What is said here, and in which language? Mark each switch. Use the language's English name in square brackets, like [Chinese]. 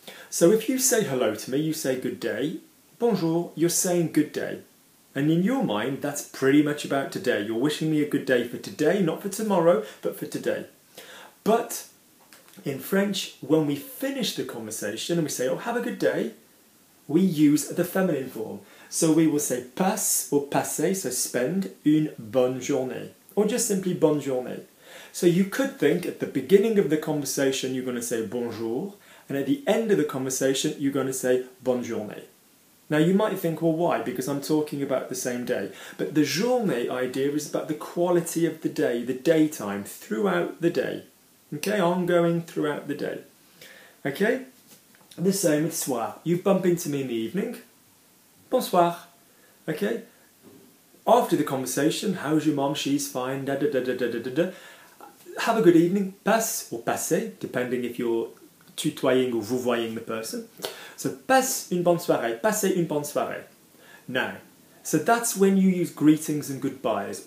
[English] So if you say hello to me, you say good day. Bonjour, you're saying good day. And in your mind, that's pretty much about today. You're wishing me a good day for today, not for tomorrow, but for today. But in French, when we finish the conversation and we say, oh, have a good day, we use the feminine form. So we will say passe or passer, so spend, [French] une bonne journée. [English] Or just simply [French] bonne journée. [English] So you could think at the beginning of the conversation, you're going to say bonjour. And at the end of the conversation, you're going to say [French] bonne journée. [English] Now you might think, well, why? Because I'm talking about the same day. But the journée idea is about the quality of the day, the daytime, throughout the day. Okay, ongoing throughout the day. Okay, and the same with soir. You bump into me in the evening. Bonsoir. Okay, after the conversation, how's your mom? She's fine. Da da da da da da da da. Have a good evening. Passe or passez, depending if you're tutoying or vouvoying the person. [French] So, passe une bonne soirée, passez une bonne soirée. [English] Now, so that's when you use greetings and goodbyes.